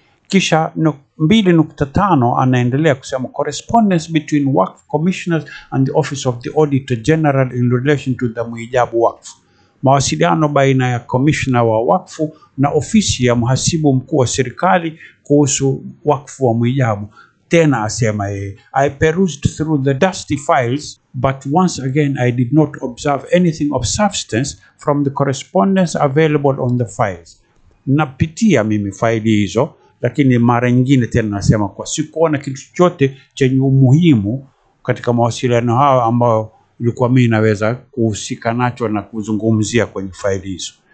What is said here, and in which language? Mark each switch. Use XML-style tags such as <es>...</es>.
<sw>Kisha 2.5 anaendelea kusema,</sw> <en>correspondence between wakfu commissioners and the office of the auditor general in relation to the Mwijabu wakfu.</en> <sw>Mawasiliano baina ya commissioner wa wakfu na ofisi ya mhasibu mkuu wa serikali kuhusu wakfu wa Mwijabu. Tena asema yeye,</sw> <en>I perused through the dusty files but once again I did not observe anything of substance from the correspondence available on the files.</en> <sw>Napitia mimi faili hizo lakini mara nyingine tena nasema kwa sikuona kitu chote chenye umuhimu katika mawasiliano hayo ambayo ilikuwa mimi naweza kuhusika nacho na kuzungumzia kwenye faili hizo.</sw>